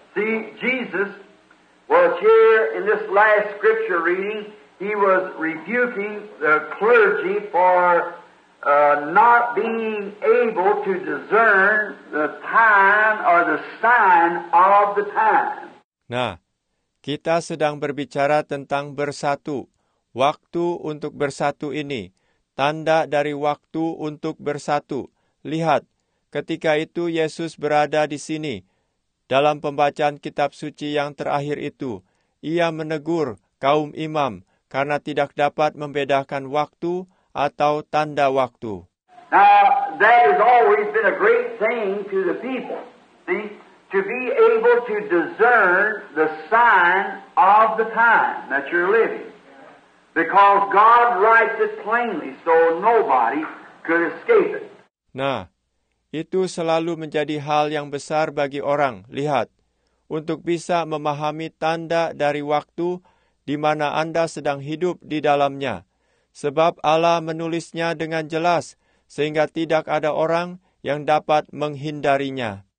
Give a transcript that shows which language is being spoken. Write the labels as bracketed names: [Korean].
[English] See, Jesus was here in this last scripture reading, he was rebuking the clergy for not being able to discern the time or the sign of the time. [Indonesian] Nah, kita sedang berbicara tentang bersatu, waktu untuk bersatu ini, tanda dari waktu untuk bersatu. Lihat, ketika itu Yesus berada di sini, dalam pembacaan kitab suci yang terakhir itu, ia menegur kaum imam karena tidak dapat membedakan waktu atau tanda waktu. [English] Now, that has always been a great thing to the people, see, to be able to discern the sign of the time that you're living. Because God writes it plainly, so nobody could escape it. [Indonesian] Nah, itu selalu menjadi hal yang besar bagi orang, lihat, untuk bisa memahami tanda dari waktu di mana Anda sedang hidup di dalamnya. Sebab Allah menulisnya dengan jelas, sehingga tidak ada orang yang dapat menghindarinya.